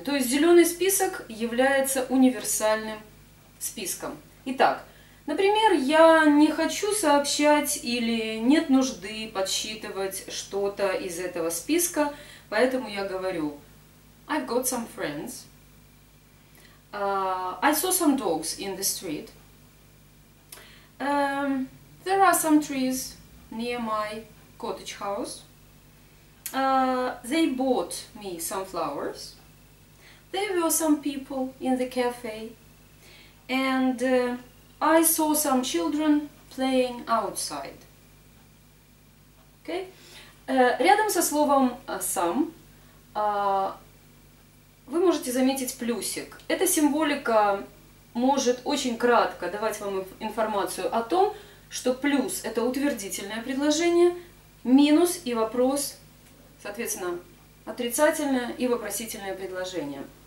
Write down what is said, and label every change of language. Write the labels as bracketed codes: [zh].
[ru] То есть зеленый список является универсальным списком. Итак, например, я не хочу сообщать или нет нужды подсчитывать что-то из этого списка, поэтому я говорю [en] «I've got some friends». I saw some dogs in the street. There are some trees near my cottage house. They bought me some flowers. There were some people in the cafe. And I saw some children playing outside. Okay? [ru] Рядом со словом some вы можете заметить плюсик. Эта символика может очень кратко давать вам информацию о том, что плюс – это утвердительное предложение, минус и вопрос, соответственно, отрицательное и вопросительное предложение.